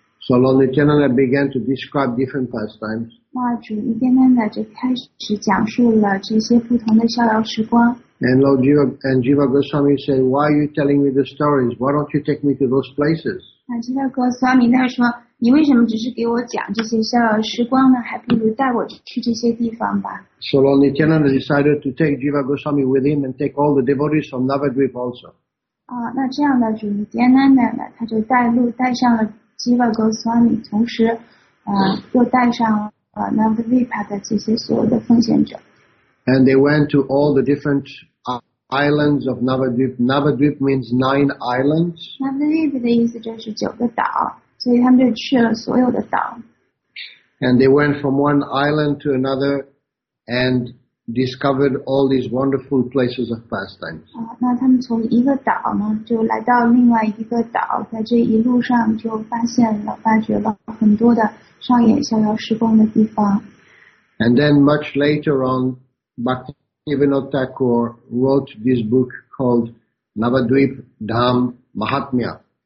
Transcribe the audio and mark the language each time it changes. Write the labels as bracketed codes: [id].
[en] So Lord Nityananda began to describe different pastimes. [zh] 主 Nityananda 就开始讲述了这些不同的逍遥时光。 [en] And Lord Jiva and Jiva Goswami said, "Why are you telling me the stories? Why don't you take me to those places?" [zh] 那 Goswami 他说，你为什么只是给我讲这些逍遥时光呢？还不如带我去这些地方吧。 [en] So Lord Nityananda decided to take Jiva Goswami with him and take all the devotees from Navadvipa also. [zh] 那这样的主 Nityananda 呢，他就带路带上了。 Jiva Goswami 同时又带上了 Navadvipa 的这些所有的奉献者。 [en] And they went to all the different islands of Navadvipa. Navadvipa means nine islands. [zh] Navadvipa 的意思就是九个岛，所以他们就去了所有的岛。 [en] And they went from one island to another and discovered all these wonderful places of pastimes. [zh] 那他们从一个岛呢，就来到另外一个岛，在这一路上就发现了、发掘了很多的上演逍遥时光的地方。 [en] And then much later on, Bhaktivinoda Thakur wrote this book called Navadvip Dham Mahatmya.